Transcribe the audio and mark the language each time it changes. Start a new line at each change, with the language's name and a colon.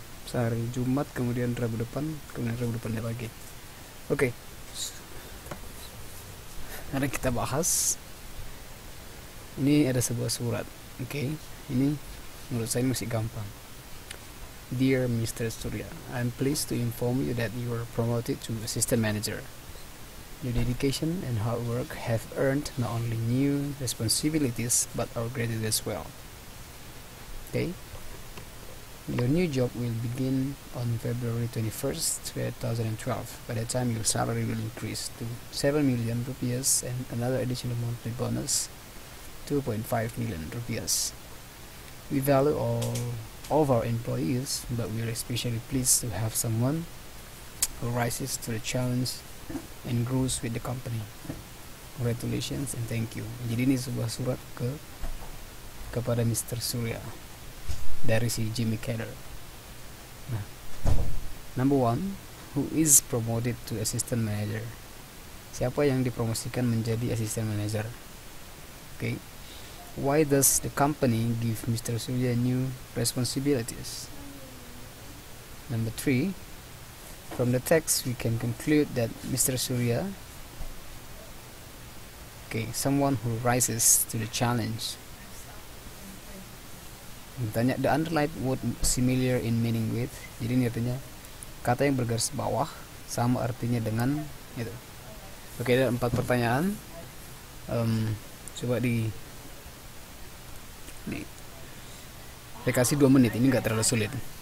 Indonesian: Sehari Jumat, kemudian Rabu depan, kemudian Rabu depannya lagi. Oke. Karena kita bahas ini ada sebuah surat. Oke. Ini menurut saya masih gampang.
English: Dear Mr. Surya, I am pleased to inform you that you are promoted to assistant manager. Your dedication and hard work have earned not only new responsibilities but our gratitude as well. Okay? Your new job will begin on February 21st, 2012. By that time, your salary will increase to 7 million rupees and another additional monthly bonus, 2.5 million rupees. We value all of our employees, but we are especially pleased to have someone who rises to the challenge and grows with the company. Congratulations and thank you.
Indonesian: Jadi ini sebuah surat kepada Mr. Surya dari si Jimmy Keller.
English: Nah, number one, who is promoted to assistant manager?
Indonesian: Siapa yang dipromosikan menjadi assistant manager? Okay.
English: Why does the company give Mr. Surya new responsibilities? Number three, from the text we can conclude that Mr. Surya, okay, someone who rises to the challenge. Tanya, the underlined word similar in meaning with.
Indonesian: Jadi ini artinya kata yang bergaris bawah sama artinya dengan itu. Okay, ada 4 pertanyaan. Coba di saya kasih 2 menit, ini enggak terlalu sulit.